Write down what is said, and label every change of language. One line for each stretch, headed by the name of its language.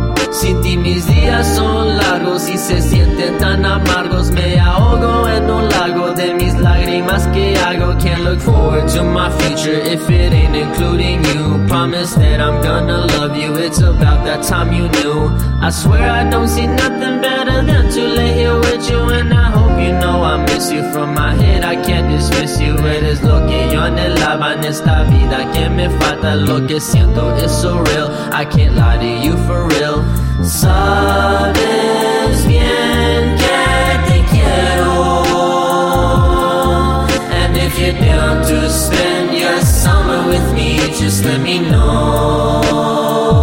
Spanish: Sin ti mis días son largos y se sienten tan amargos. Me ahogo en un lago de mis lágrimas que hago.
English: Can't look forward to my future if it ain't including you. Promise that I'm gonna love you, it's about that time you knew. I swear I don't see nothing better than to lay here with you. And I hope you know I miss you from my head, I can't dismiss you.
Spanish: Eres lo que yo anhelaba en esta vida que me falta. Lo que siento es
English: so real, I can't lie to you for real.
Spanish: Sabes bien que te quiero.
English: And if you're down to spend your summer with me, just let me know.